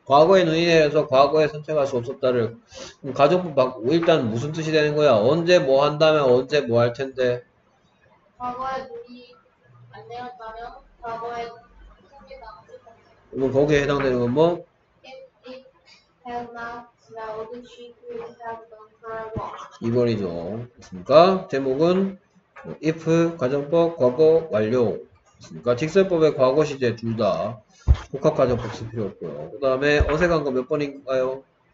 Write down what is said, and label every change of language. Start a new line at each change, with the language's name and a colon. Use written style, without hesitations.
Korean: 과거에 눈이 내려서 과거에 선택할 수 없었다를 가정법 일단 무슨 뜻이 되는 거야? 언제 뭐 한다면 언제 뭐 할 텐데? 과거에 눈이 안 내렸다면 과거에 눈이 나왔을 텐데. 거기에 해당되는 건 뭐?
English: If had not snowed, she could have gone for a walk.
Korean: 2번이죠. 그러니까 제목은 If 가정법 과거 완료. 그러니까 직설법의 과거 시제 둘 다 복합 가정법 쓸 필요 없고요. 그 다음에 어색한 거 몇 번인가요?